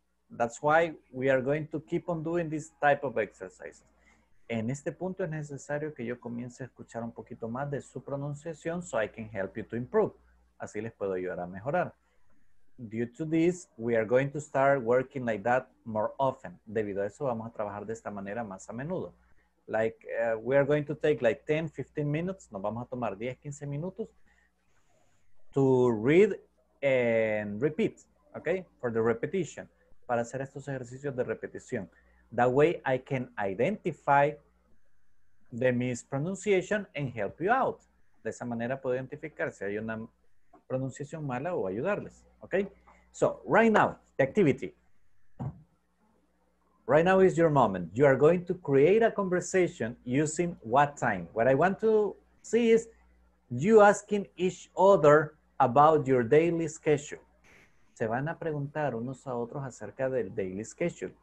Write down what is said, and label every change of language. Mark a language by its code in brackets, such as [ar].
[en] That's why we are going to keep on doing this type of exercises. [es] En este punto es necesario que yo comience a escuchar un poquito más de su pronunciación [en] so I can help you to improve. [es] Así les puedo ayudar a mejorar. [en] Due to this, we are going to start working like that more often. [es] Debido a eso, vamos a trabajar de esta manera más a menudo. [en] Like, we are going to take like 10, 15 minutes. [es] Nos vamos a tomar 10, 15 minutos [en] to read and repeat, okay? For the repetition, [es] para hacer estos ejercicios de repetición. [en] That way I can identify the mispronunciation and help you out. [es] De esa manera puedo identificar si hay una pronunciación mala o ayudarles, okay? [en] So, right now, the activity. Right now is your moment. You are going to create a conversation using what time. What I want to see is you asking each other about your daily schedule. [es] Se van a preguntar unos a otros acerca del daily schedule.